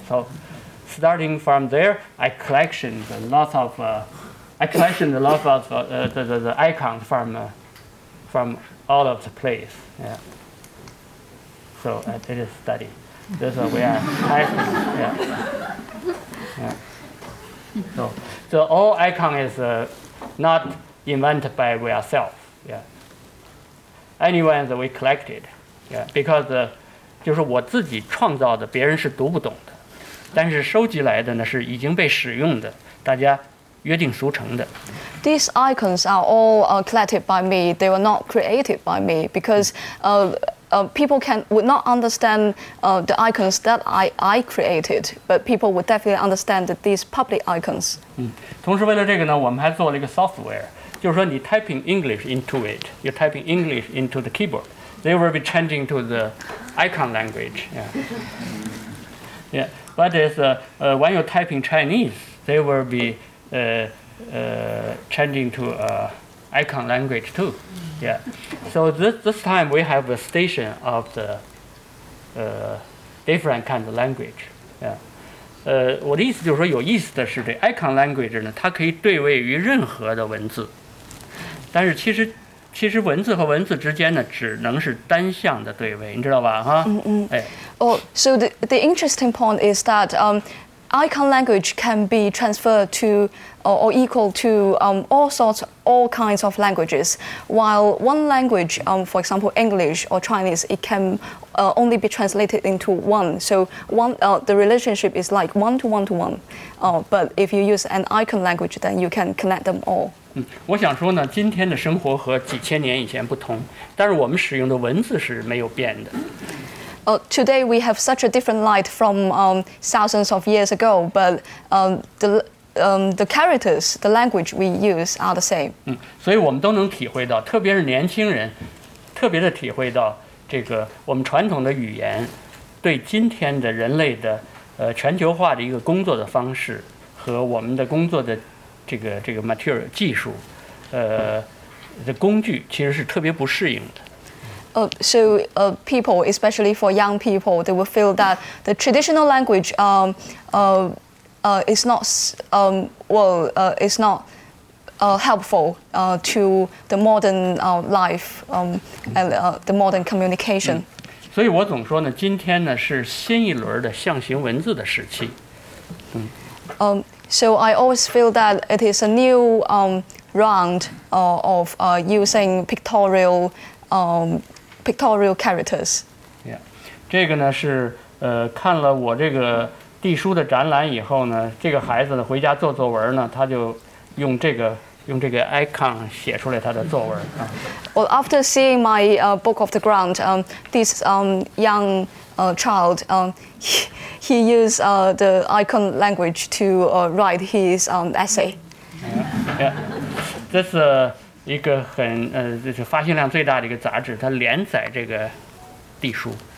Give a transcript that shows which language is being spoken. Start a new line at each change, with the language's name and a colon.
English: So, starting from there, I collected a lot of the icons from all of the place. Yeah. So I did a study. This is where I have, So all icon is not invented by ourselves. Yeah. Anyway, so we collected. Yeah. Because
Chinese: 就是我自己创造的，别人是读不懂的，但是收集来的呢是已经被使用的，大家约定俗成的。
English: These icons are all collected by me. They were not created by me because people would not understand the icons that I created, but people would definitely understand that these public icons.
Chinese: 同时为了这个呢，我们还做了一个
English: software，
Chinese: 就是说你
English: typing English into it, you're typing English into the keyboard, they will be changing to the icon language. Yeah. But when you're typing Chinese, they will be changing to icon language too. Yeah. So this time we have a station of the different kind of language. Yeah.
Chinese: 我的意思就是说，有意思的是这 icon language 呢，它可以对位于任何的文字。但是其实文字和文字之间呢，只能是单向的对位，你知道吧？哈。嗯嗯。哎。
English: Oh, so the interesting point is that icon language can be transferred to or equal to all kinds of languages. While one language, for example, English or Chinese, it can only be translated into one. So the relationship is like one to one to one. But if you use an icon language, then you can connect them all.
Chinese: 嗯，我想说呢，今天的生活和几千年以前不同，但是我们使用的文字是没有变的。
English: Today we have such a different light from thousands of years ago, but the characters, the language we use are the same.
Chinese: 所以我们都能体会到，特别是年轻人，特别的体会到这个我们传统的语言对今天的人类的全球化的一个工作的方式和我们的工作的这个 material 技术的工具其实是特别不适应的。
English: So people, especially for young people, they will feel that the traditional language is not helpful to the modern life and the modern communication.
Chinese: 所以我总说呢，今天呢是新一轮的象形文字的时期。
English: So I always feel that it is a new round of using pictorial. Pictorial characters. Yeah,
Chinese: 这个呢是看了我这个地书的展览以后呢，这个孩子呢回家做作文呢，他就用这个 icon 写出来他的作文。
English: Well, after seeing my book of the ground, this young child, he used the icon language to write his essay. Yeah, yeah.
Chinese: 一个很就是发行量最大的一个杂志，它连载这个地书。